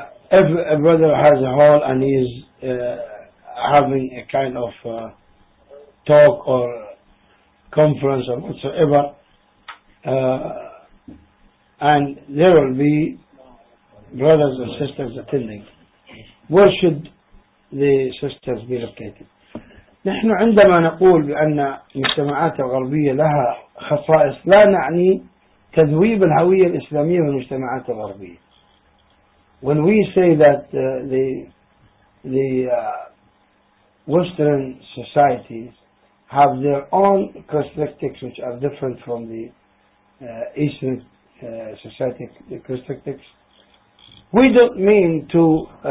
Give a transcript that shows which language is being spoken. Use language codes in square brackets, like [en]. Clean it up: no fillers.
[en] If a brother has a hall and he is having a kind of talk or conference or whatsoever, and there will be brothers and sisters attending, where should the sisters be located? [ar] نحن عندما نقول بأن المجتمعات الغربية لها خصائص لا نعني تذويب الهوية الإسلامية في المجتمعات الغربية. [en] When we say that the Western societies have their own characteristics which are different from the Eastern society characteristics, we don't mean to